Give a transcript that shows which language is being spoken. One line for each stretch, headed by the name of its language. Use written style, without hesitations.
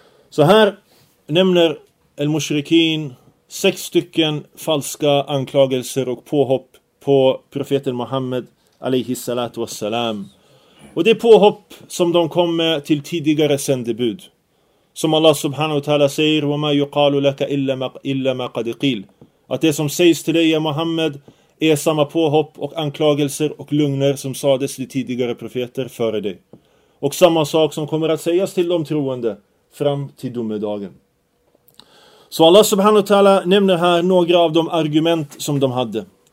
Swedish: Så här nämner al-Mushrikin 6 stycken falska anklagelser och påhopp på profeten Muhammed alayhi salatu wassalam. Och det är påhopp som de kom med till tidigare sändebud. Som Allah subhanahu wa ta'ala säger:
Arabic: وَمَا يُقَالُ لَكَ إِلَّا مَا قَدْ قِيلَ.
Swedish: Att det som sägs till dig, Muhammed, är samma påhopp och anklagelser och lögner som sades till tidigare profeter före dig. Och samma sak som kommer att sägas till de troende fram till domedagen. Så Allah subhanahu wa ta'ala nämner här några av de argument som de hade.